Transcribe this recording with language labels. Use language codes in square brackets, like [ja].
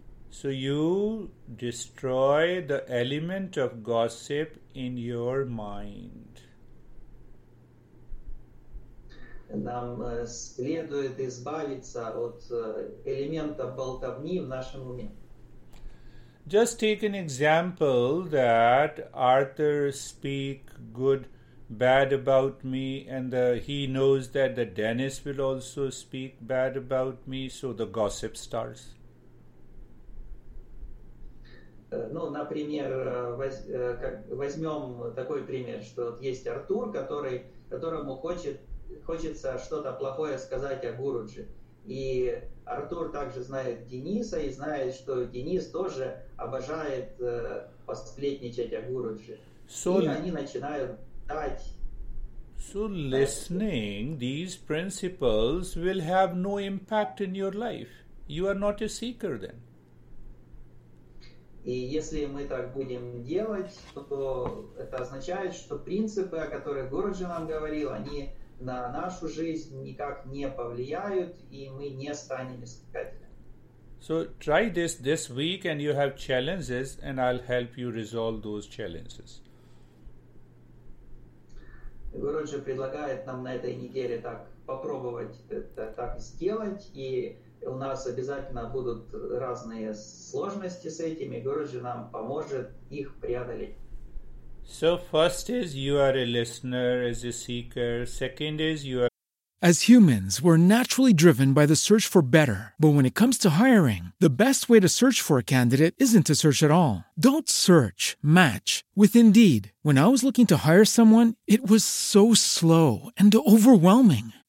[en] So you destroy the element of gossip in your mind. [ru] Нам следует избавиться от элемента болтовни в нашем уме. [en] Just take an example that Arthur speak good, bad about me, and he knows that the Dennis will also speak bad about me, so the gossip starts. [ru] Ну, например, возьмем такой пример, что вот есть Артур, которому хочется что-то плохое сказать о Гуруджи. И Артур также знает Дениса и знает, что Денис тоже обожает посплетничать о Гуруджи. [en] So, [ru] и они начинают дать. [en] So listening these principles will have no impact in your life. You are not a seeker then. [ru] И если мы так будем делать, то это означает, что принципы, о которых Гуруджи нам говорил, они на нашу жизнь никак не повлияют, и мы не станем искателями. [en] So try this week, and you have challenges, and I'll help you resolve those challenges. [ru] Гуруджи предлагает нам на этой неделе так попробовать так сделать, и у нас обязательно будут разные сложности с этим, и Гуруджи нам поможет их преодолеть. [en] So first is you are a listener, as a seeker. Second is you are... As humans, we're naturally driven by the search for better. But when it comes to hiring, the best way to search for a candidate isn't to search at all. Don't search. Match. With Indeed, when I was looking to hire someone, it was so slow and overwhelming.